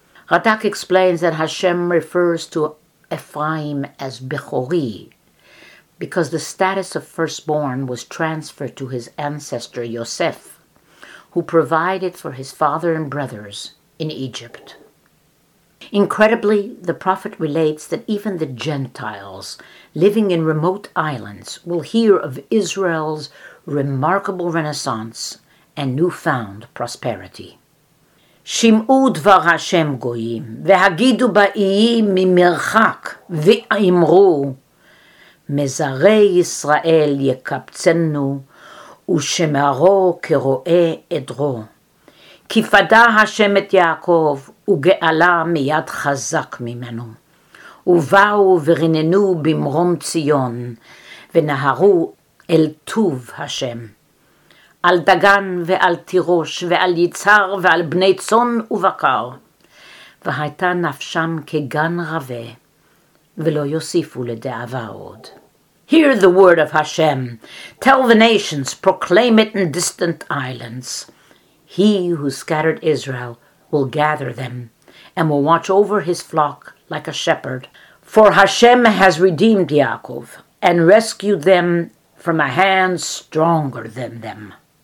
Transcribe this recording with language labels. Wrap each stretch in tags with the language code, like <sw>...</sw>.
<en>Radak explains that Hashem refers to Ephraim as Bechori, because the status of firstborn was transferred to his ancestor Yosef, who provided for his father and brothers in Egypt. Incredibly, the prophet relates that even the Gentiles living in remote islands will hear of Israel's remarkable renaissance and newfound prosperity.</en> <he>שימעו דבר השם גויים, והגידו באיים ממרחק, ואמרו, מזרי ישראל יקבצנו, ושמרו כרואה עדרו. כי פדה השם את יעקב, וגאלה מיד חזק ממנו. ובאו ורננו במרום ציון, ונהרו אל טוב השם. על דגן ועל תירוש ועל יצהר ועל בני צון ובקר. והייתה נפשם כגן רווה, ולא יוסיפו לדאבה עוד.</he> <en>Hear the word of Hashem. Tell the nations, proclaim it in distant islands. He who scattered Israel will gather them, and will watch over his flock like a shepherd. For Hashem has redeemed Yaakov, and rescued them from a hand stronger than them.</en>